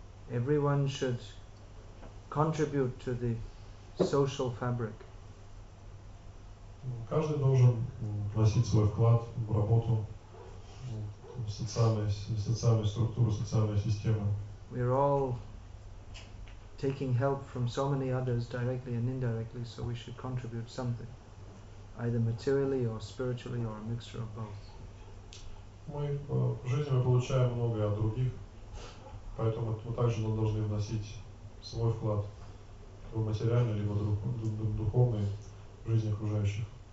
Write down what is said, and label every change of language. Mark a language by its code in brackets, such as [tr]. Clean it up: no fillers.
[en] Everyone should contribute to the social fabric. [ru] Каждый должен вносить свой вклад в работу социальной структуры, социальной системы. [en] We're all taking help from so many others directly and indirectly, so we should contribute something, either materially or spiritually or a mixture of both. [ru] Мы в жизни мы получаем многое от других, поэтому мы также должны вносить свой вклад в материальный либо духовный в жизни окружающих.